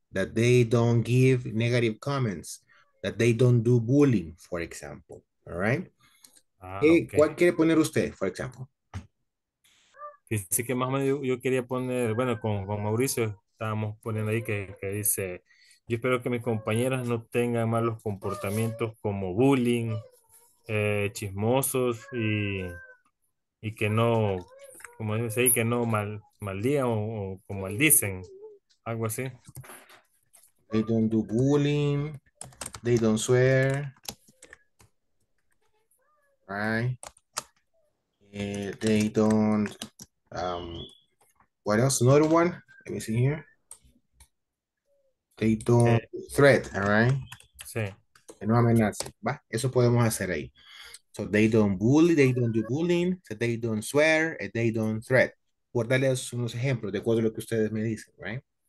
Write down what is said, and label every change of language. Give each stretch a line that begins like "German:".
English: That they don't give negative comments, that they don't do bullying, for example.
Spanish: All right? Okay. ¿Cuál quiere poner usted,
English: for example?
Spanish: Sí, que más o menos yo quería poner, bueno, con Mauricio estábamos poniendo ahí que dice, yo espero que mis compañeras no tengan malos comportamientos como bullying, chismosos y que no, como dice ahí, que no maldigan o como maldicen, algo así.
English: They don't do bullying, they don't swear, right? They don't... what else? Another one? Let me see here. They don't threat, all right?
Spanish: Sí. Que no amenace. Va, eso podemos hacer ahí.
English: So they don't bully, they don't do bullying, so they don't swear, and they don't threat.
Spanish: Por darles unos ejemplos de acuerdo a lo que ustedes me dicen, right?